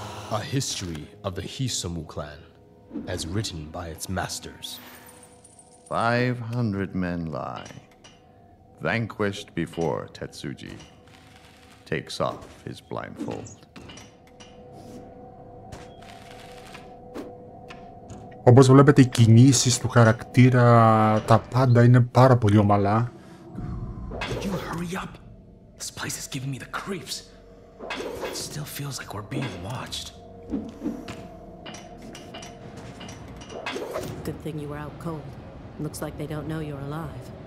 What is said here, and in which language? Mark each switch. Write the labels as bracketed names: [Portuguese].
[English] A history of the Hisamu clan, as written by its masters. 500 men lie, vanquished before Tetsuji takes off his blindfold. [Greek] Όπως βλέπετε, οι κινήσεις του χαρακτήρα, τα πάντα είναι πάρα πολύ ομαλά. [English] Could you hurry up? This place is giving me the creeps. It still feels like we're being watched. Good thing you were out cold. Looks like they don't know you're alive.